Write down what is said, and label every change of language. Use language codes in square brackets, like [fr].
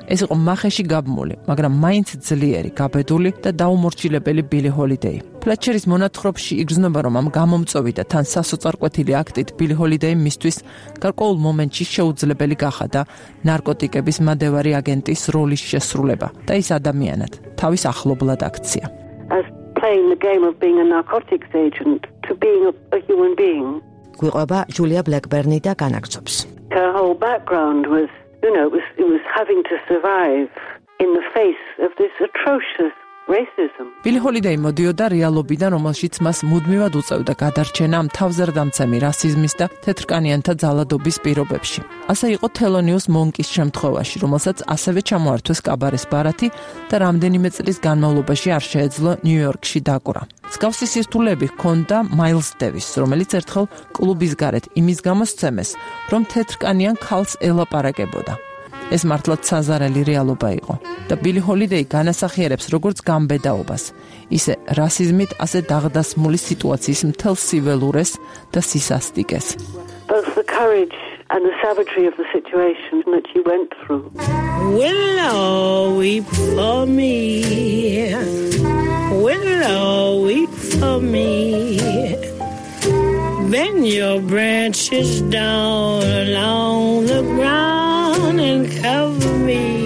[ka] ეს იყო მახეში გაბმული, მაგრამ მაინც ძლიერი, გაბედული და დაუმორჩილებელი ბილი ჰოლიდეი. ფლეტჩერის მონათხრობში იგრძნობა, რომ ამ გამომწოვი და თან სასოწარკვეთილი აქტით ბილი ჰოლიდეი მისთვის გარკვეულ მომენტში შეუძლებელი გახადა ნარკოტიკების მადევარი აგენტის როლის შესრულება და ის ადამიანად თავის ახლობლად აქცია. [en] As playing the game of being a narcotics agent to being a human being. [ka] გვიყვება ჯულია ბლეკბერნი და განაგცობს. [en] Her whole background was, you know, it was having to survive in the face of this atrocious racism. [ka] ბილი ჰოლიდეი მოდიოდა რეალობიდან, რომელშიც მას მუდმივად უწევდა გადარჩენა თავზარდამცემი რასიზმის და თეთრკანიანთა ძალადობის პირობებში. ასე იყო თელონიუს მონკის შემთხვევაში, რომელსაც ასევე ჩამოართვეს კაბარეს ბარათი და რამდენიმე წლის განმავლობაში არ შეეძლო ნიუ-იორკში დაკვრა. მსგავსი სირთულეები ჰქონდა მაილს დევისს, რომელიც ერთხელ კლუბის გარეთ იმის გამო სცემეს, რომ თეთრკანიან ქალს ელაპარაკებოდა. ეს მართლაც საზარელი რეალობა იყო და ბილი ჰოლიდეი განასახიერებს როგორც გამბედაობას, ისე რასიზმით ასე დაღდასმული სიტუაციის მთელ სიველურეს და სისასტიკეს. [en] Both the courage and the savagery of the situation that you went through. Willow weep for me. Willow weep for me. Bend your branches down along the ground and cover me.